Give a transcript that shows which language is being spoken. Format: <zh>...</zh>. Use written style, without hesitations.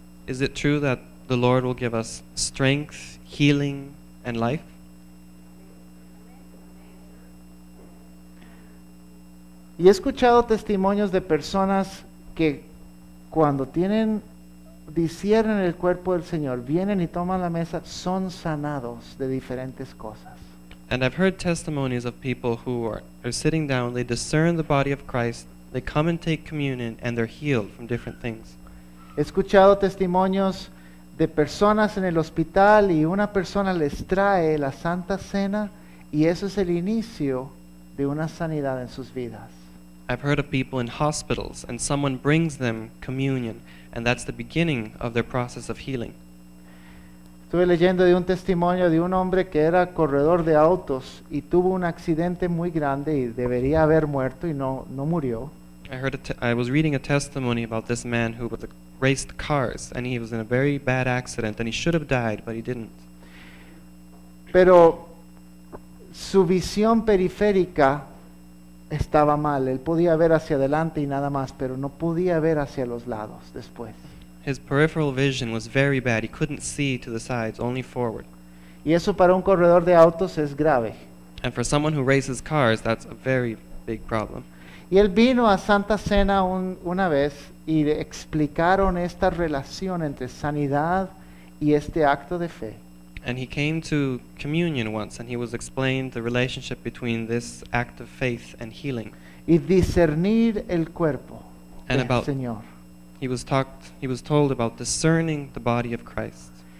<en>Is it true that the Lord will give us strength, healing, and life?</en> <es>Y he escuchado testimonios de personas que cuando tienen, disciernen el cuerpo del Señor, vienen y toman la mesa, son sanados de diferentes cosas.</es> <en>And I've heard testimonies of people who are sitting down, they discern the body of Christ, they come and take communion, and they're healed from different things.</en> <es>He escuchado testimonios de personas en el hospital y una persona les trae la Santa Cena y eso es el inicio de una sanidad en sus vidas.</es> <en>I've heard of people in hospitals and someone brings them communion, and that's the beginning of their process of healing.</en> <es>Estuve leyendo de un testimonio de un hombre que era corredor de autos y tuvo un accidente muy grande y debería haber muerto y no murió.</es> <en>I was reading a testimony about this man who raced cars, and he was in a very bad accident and he should have died, but he didn't.</en> <es>Pero su visión periférica estaba mal. Él podía ver hacia adelante y nada más, pero no podía ver hacia los lados después.</es> <en>His peripheral vision was very bad. He couldn't see to the sides, only forward.</en> <es>Y eso para un corredor de autos es grave.</es> <en>And for someone who races cars, that's a very big problem.</en> <es>Y él vino a Santa Cena una vez y le explicaron esta relación entre sanidad y este acto de fe.</es> <en>And he came to communion once and he was explained the relationship between this act of faith and healing.</en> <es>Y discernir el cuerpo</es> <en>and</en> <es>del Señor.</es> <en>He was told about discerning the body of Christ.</en>